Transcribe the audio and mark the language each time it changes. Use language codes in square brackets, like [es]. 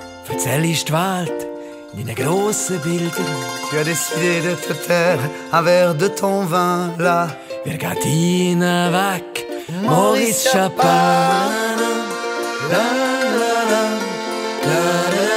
[de] Verzähl ich die Welt in deine grossen Bilder. [fr] Tu as décidé de te taire, un verre de ton vin là. [de] Wir gehen weg, Maurice Chappaz.